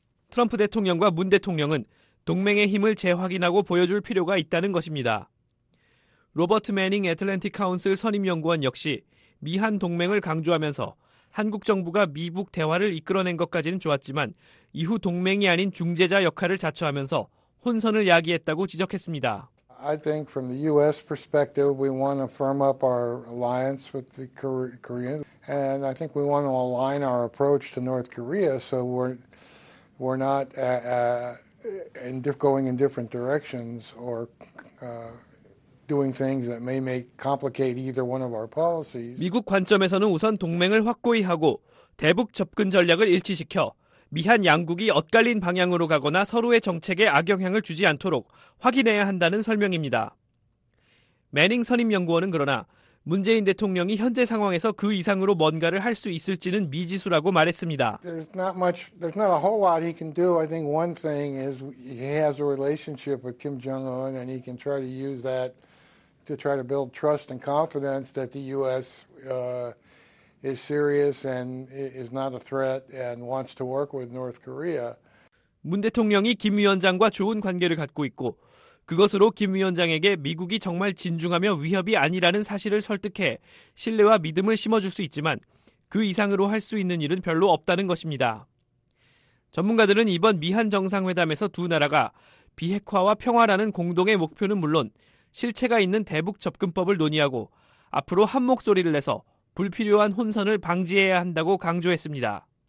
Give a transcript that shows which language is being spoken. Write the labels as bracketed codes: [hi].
[ko] 트럼프 대통령과 문 대통령은 동맹의 힘을 재확인하고 보여줄 필요가 있다는 것입니다. 로버트 매닝 애틀랜틱 카운슬 선임연구원 역시 미한 동맹을 강조하면서 한국 정부가 미북 대화를 이끌어낸 것까지는 좋았지만 이후 동맹이 아닌 중재자 역할을 자처하면서 혼선을 야기했다고 지적했습니다. [en] I think from the U.S. perspective, we want to firm up our alliance with the Koreans, and I think we want to align our approach to North Korea so we're not going in different directions or doing things that may make complicate either one of our policies. [ko] 미국 관점에서는 우선 동맹을 확고히 하고 대북 접근 전략을 일치시켜 미한 양국이 엇갈린 방향으로 가거나 서로의 정책에 악영향을 주지 않도록 확인해야 한다는 설명입니다. 매닝 선임연구원은 그러나 문재인 대통령이 현재 상황에서 그 이상으로 뭔가를 할 수 있을지는 미지수라고 말했습니다. [en] There's not a whole lot he can do. I think one thing is he has a relationship with Kim Jong-un and he can try to use that to try to build trust and confidence that the U.S. Is serious and is not a threat and wants to work with North Korea. [ko] 문 대통령이 김 위원장과 좋은 관계를 갖고 있고 그것으로 김 위원장에게 미국이 정말 진중하며 위협이 아니라는 사실을 설득해 신뢰와 믿음을 심어줄 수 있지만 그 이상으로 할 수 있는 일은 별로 없다는 것입니다. 전문가들은 이번 미한 정상회담에서 두 나라가 비핵화와 평화라는 공동의 목표는 물론 실체가 있는 대북 접근법을 논의하고 앞으로 한 목소리를 내서 불필요한 혼선을 방지해야 한다고 강조했습니다.